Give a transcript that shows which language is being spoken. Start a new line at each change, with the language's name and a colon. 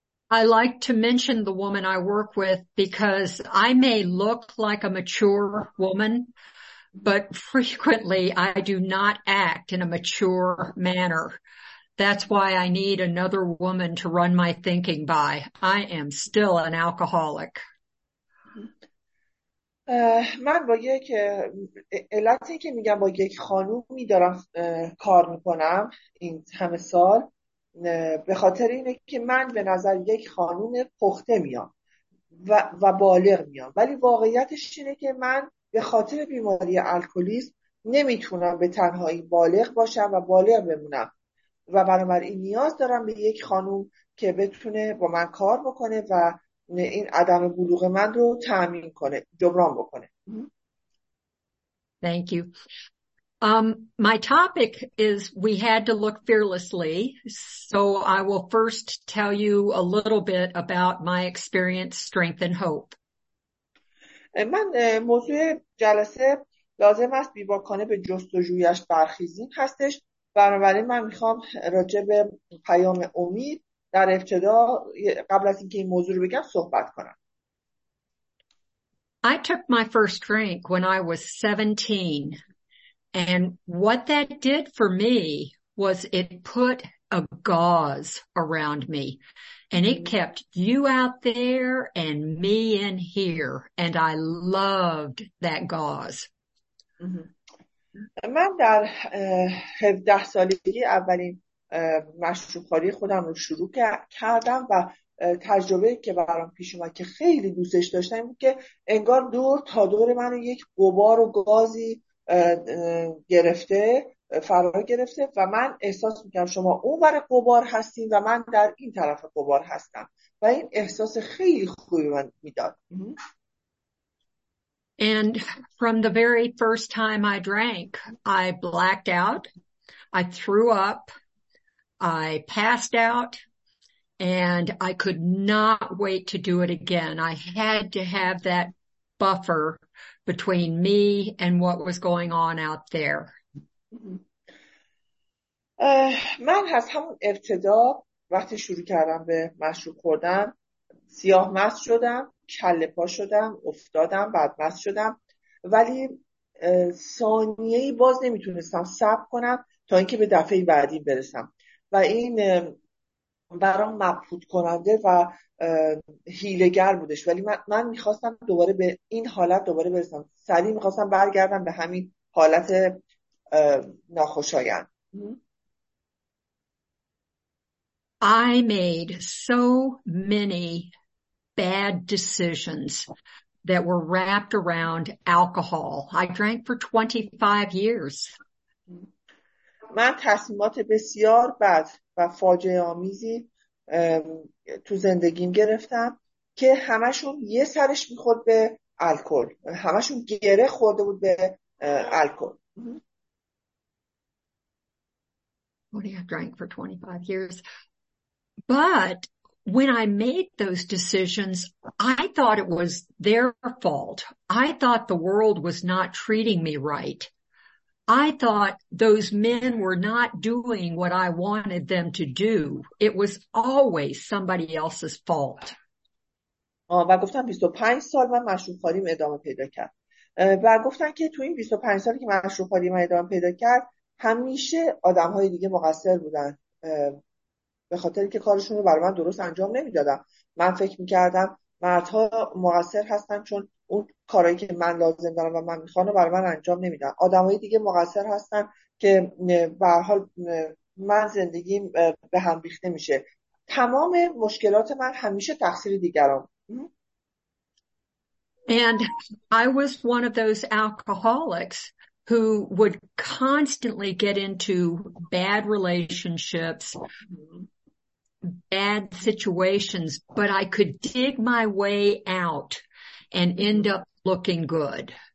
English: I like to mention the woman I work with because I may look like a mature woman, but frequently I do not act in a mature manner. That's why I need another woman to run my thinking by. I am still an alcoholic.
Persian: من با یک علتی که میگم با یک خانومی دارم کار میکنم این همه سال، به خاطر اینه که من به نظر یک خانوم پخته میام و بالغ میام، ولی واقعیتش اینه که من به خاطر بیماری الکلیسم نمیتونم به تنهایی بالغ باشم و بالغ بمونم و بنابراین نیاز دارم به یک خانوم که بتونه با من کار بکنه و این عدم بلوغ من رو تأمین کنه، جبران بکنه.
English: Thank you. My topic is we had to look fearlessly, so I will first tell you a little bit about my experience, strength, and hope.
Persian: من موضوع جلسه لازم است بیباکانه به جستجویش برخیزیم هستش، بنابراین من میخوام راجع به پیام امید در ابتدا قبل از اینکه این موضوع رو بگم صحبت کنم.
English: I took my first drink when I was 17, and what that did for me was it put a gauze around me, and it kept you out there and me in here, and I loved that gauze.
Persian: من در 17 سالگی اولین مشروب‌خوری خودم رو شروع کردم و تجربه که برام پیش اومد که خیلی دوستش داشتم این بود که انگار دور تا دور من رو یک غبار و گازی گرفته، فرا گرفته و من احساس میکنم شما اون ور غبار هستین و من در این طرف غبار هستم و این احساس خیلی خوبی من میداد.
English: And from the very first time I drank, I blacked out, I threw up, I passed out, and I could not wait to do it again. I had to have that buffer between me and what was going on out there.
Persian: من از همون ابتدا وقتی شروع کردم به مشروب خوردن سیاه مست شدم، کله پا شدم، افتادم، بدمست شدم، ولی ثانیه‌ای باز نمیتونستم صبر کنم تا اینکه به دفعه بعدی برسم و این برام مبهوت کننده و حیله‌گر بودش، ولی من میخواستم دوباره به این حالت دوباره برسم، سریع میخواستم برگردم به همین حالت ناخوشایند.
English: I made so many bad decisions that were wrapped around alcohol. I drank for 25 years.
Persian: من تصمیمات بسیار بد و فاجعه‌آمیزی تو زندگیم گرفتم که همشون یه سرش می‌خورد به الکل. همشون گره خورده بود به الکل.
English: What did I drink for 25 years? But when I made those decisions, I thought it was their fault. I thought the world was not treating me right. I thought those men were not doing what I wanted them to do. It was always somebody else's fault.
Persian: و گفتم 25 سال من مشروب‌خواریم ادامه پیدا کرد. و گفتن که تو این 25 سالی که مشروب‌خواریم ادامه پیدا کرد، همیشه آدم‌های دیگه مقصر بودن. به خاطر که کارشون رو برای من درست انجام نمیدادم. من فکر میکردم مردها مقصر هستن چون اون کارهایی که من لازم دارم و من میخوام رو برای من انجام نمیدن. آدم های دیگه مقصر هستن که به هر حال من زندگیم به هم ریخته میشه. تمام مشکلات من همیشه تقصیر دیگران.
English: And I was one of those alcoholics who would constantly get into bad relationships, bad situations, but I could dig my way out and end up looking good.